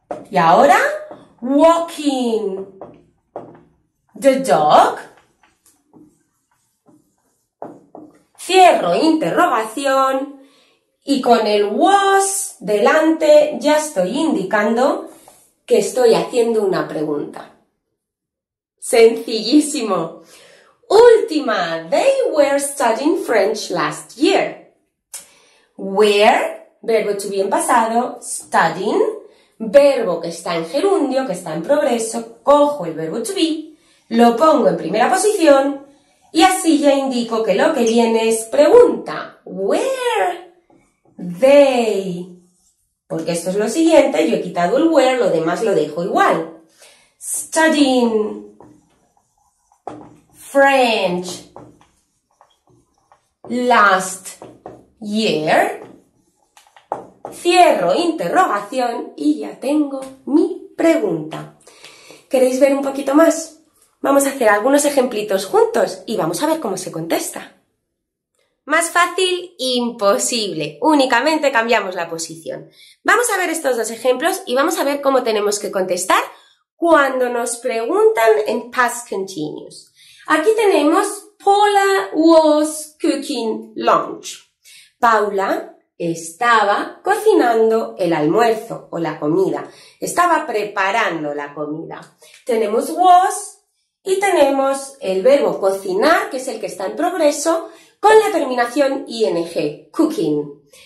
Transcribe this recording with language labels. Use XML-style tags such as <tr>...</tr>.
<es>Y ahora,</es> <en>walking the dog.</en> <es>Cierro interrogación y con el was delante ya estoy indicando que estoy haciendo una pregunta. Sencillísimo. Última,</es> <en>they were studying French last year.</en> <es>Were, verbo to be en pasado, studying, verbo que está en gerundio, que está en progreso, cojo el verbo to be, lo pongo en primera posición y así ya indico que lo que viene es pregunta.</es> <en>Where they?</en> <es>Porque esto es lo siguiente, yo he quitado el where, lo demás lo dejo igual.</es> <en>Studying French last year.</en> <es>Cierro interrogación y ya tengo mi pregunta. ¿Queréis ver un poquito más? Vamos a hacer algunos ejemplitos juntos y vamos a ver cómo se contesta. Más fácil, imposible. Únicamente cambiamos la posición. Vamos a ver estos dos ejemplos y vamos a ver cómo tenemos que contestar cuando nos preguntan en past continuous. Aquí tenemos</es> <en>Paula was cooking lunch.</en> <es>Paula estaba cocinando el almuerzo o la comida. Estaba preparando la comida. Tenemos was y tenemos el verbo cocinar, que es el que está en progreso, con la terminación ing, cooking.</es>